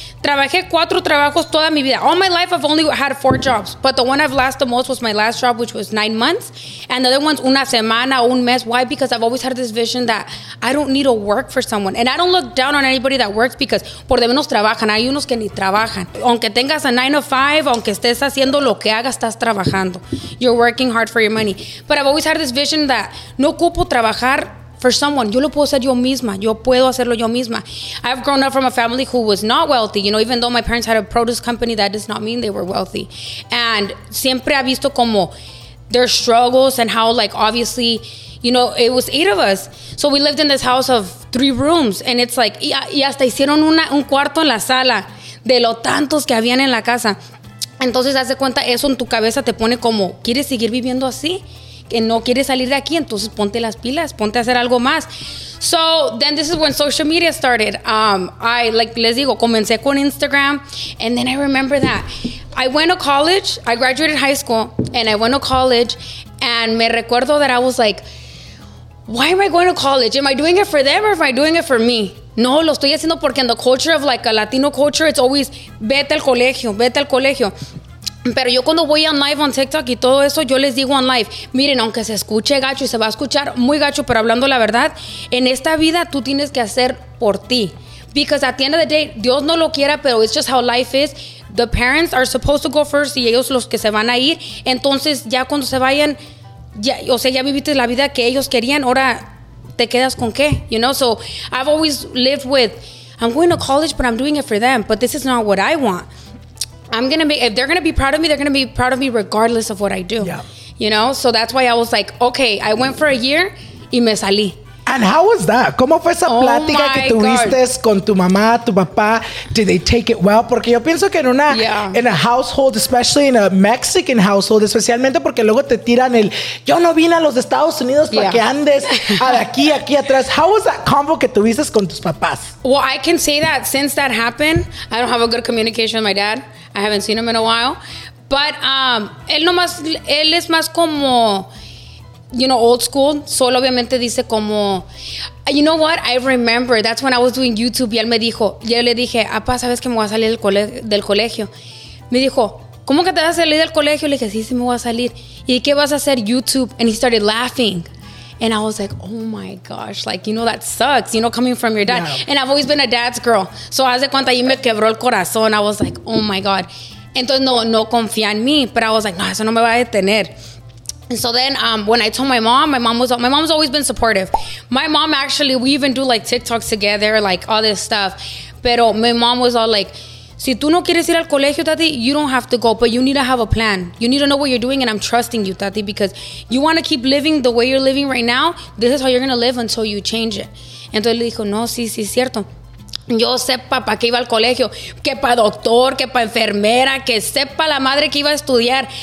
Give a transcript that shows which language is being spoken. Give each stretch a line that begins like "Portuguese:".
Spanish: Trabajé 4 trabajos toda mi vida.
English: All my life I've only had 4 jobs, but the one I've lasted the most was my last job, which was 9 months. And the other one's
Spanish: una semana, un mes.
English: Why? Because I've always had this vision that I don't need to work for someone. And I don't look down on anybody that works because
Spanish: por de menos trabajan. Hay unos que ni trabajan. Aunque tengas a 9 to 5, aunque estés haciendo lo que hagas, estás trabajando.
English: You're working hard for your money. But I've always had this vision that
Spanish: no ocupo trabajar
English: for someone.
Spanish: Yo lo puedo hacer yo misma. Yo puedo hacerlo yo misma.
English: I've grown up from a family who was not wealthy. You know, even though my parents had a produce company, that does not mean they were wealthy. And
Spanish: siempre ha visto como
English: their struggles and how, like, obviously, you know, it was 8 of us. So we lived in this house of 3 rooms. And it's like,
Spanish: y hasta hicieron un cuarto en la sala de lo tantos que habían en la casa. Entonces, haz de cuenta, eso en tu cabeza te pone como, ¿quieres seguir viviendo así? que no quieres salir de aquí, entonces ponte las pilas, ponte a hacer algo más.
English: So then this is when social media started. I like
Spanish: les digo, comencé con
English: Instagram, and then I remember that I went to college. I graduated high school and I went to college, and
Spanish: me recuerdo
English: that I was like, why am I going to college? Am I doing it for them or am I doing it for me?
Spanish: No, lo estoy haciendo porque
English: in the culture of like a Latino culture, it's always
Spanish: vete al colegio, vete al colegio. Pero yo cuando voy
English: on live on TikTok
Spanish: y todo eso, yo les digo
English: on live,
Spanish: miren, aunque se escuche gacho y se va a escuchar muy gacho, pero hablando la verdad, en esta vida tú tienes que hacer por ti.
English: Because at the end of the day,
Spanish: Dios no lo quiera, pero
English: it's just how life is. The parents are supposed to go first
Spanish: y ellos los que se van a ir. Entonces ya cuando se vayan, ya, o sea, ya viviste la vida que ellos querían, ahora te quedas con qué,
English: you know? So I've always lived with, I'm going to college, but I'm doing it for them. But this is not what I want. I'm going to be, if they're going to be proud of me, they're going to be proud of me regardless of what I do. Yeah. You know, so that's why I was like, okay, I went for a year
Spanish: y me salí.
English: And how was that?
Spanish: ¿Cómo fue esa plática que tuviste con tu mamá, tu papá?
English: Did they take it well?
Spanish: Porque yo pienso que en una,
English: in a household, especially in a Mexican household,
Spanish: especialmente porque luego te tiran el, yo no vine a los Estados Unidos para que andes aquí atrás.
English: How was that convo
Spanish: que tuviste con tus papás?
English: Well, I can say that since that happened, I don't have a good communication with my dad. I haven't seen him in a while. But
Spanish: él no más, él es más como,
English: you know, old school.
Spanish: Solo obviamente dice como,
English: you know what? I remember that's when I was doing YouTube.
Spanish: Y él me dijo, yo le dije, apa, ¿sabes que me voy a salir del colegio? Me dijo, ¿cómo que te vas a salir del colegio? Le dije, sí, sí, me voy a salir. ¿Y qué vas a hacer YouTube?
English: And he started laughing. And I was like, oh my gosh, like, you know, that sucks, you know, coming from your dad. Yeah. And I've always been a dad's girl.
Spanish: So hace cuánto ahí me quebró el corazón.
English: I was like, oh my God.
Spanish: Entonces no confía en mí.
English: But I was like, no,
Spanish: eso no me va a detener.
English: And so then when I told my mom's always been supportive. My mom actually, we even do like TikToks together, like all this stuff. Pero my mom was all like,
Spanish: si tú no quieres ir al colegio,
English: Tati, you don't have to go, but you need to have a plan. You need to know what you're doing, and I'm trusting you, Tati, because you want to keep living the way you're living right now. This is how you're going to live until you change it.
Spanish: Entonces le dijo, no, sí, sí, es cierto. Yo sepa para qué iba al colegio, que para doctor, que para enfermera, que sepa la madre que iba a estudiar.